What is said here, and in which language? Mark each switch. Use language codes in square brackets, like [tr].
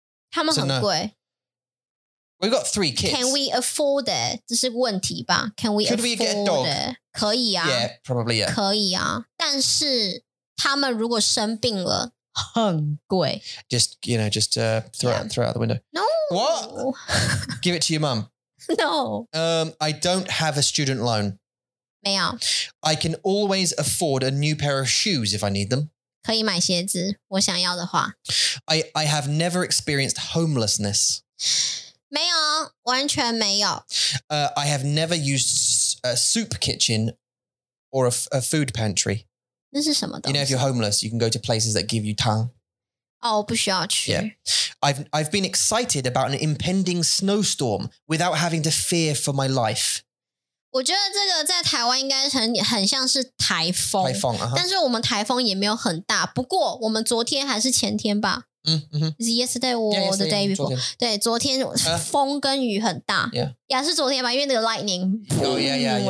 [zh] 他们很贵。 [en] So, no. We've got 3 kids. Can we afford it? [zh] 这是问题吧。 [en] Can we afford it? Could we get a dog? [zh] 可以啊。 [en] Yeah, probably, yeah. [zh] 可以啊。但是他们如果生病了很贵 [en] Just, you know, just throw out the window. No. What? Give it to your mum. No. I don't have a student loan. [zh] 没有 [en] I can always afford a new pair of shoes if I need them. [zh] 可以买鞋子我想要的话 [en] I have never experienced homelessness. [zh] 没有完全没有 [en] I have never used a soup kitchen or a food pantry. [zh] 那是什么东西? [en] You know, if you're homeless, you can go to places that give you tang. [zh] 哦，不需要去。 [en] Yeah. I've been excited about an impending snowstorm without having to fear for my life. [zh] 我觉得这个在台湾应该很像是台风。台风、uh-huh. 但是我们台风也没有很大。不过我们昨天还是前天吧。 Mm-hmm. [en] Is it yesterday or yeah, yesterday, the day before? [zh] 昨天对，昨天风跟雨很大。 [en] Yeah. [zh] Yeah, 是昨天吧，因为那个 lightning. [en] Oh, yeah, yeah, yeah, yeah.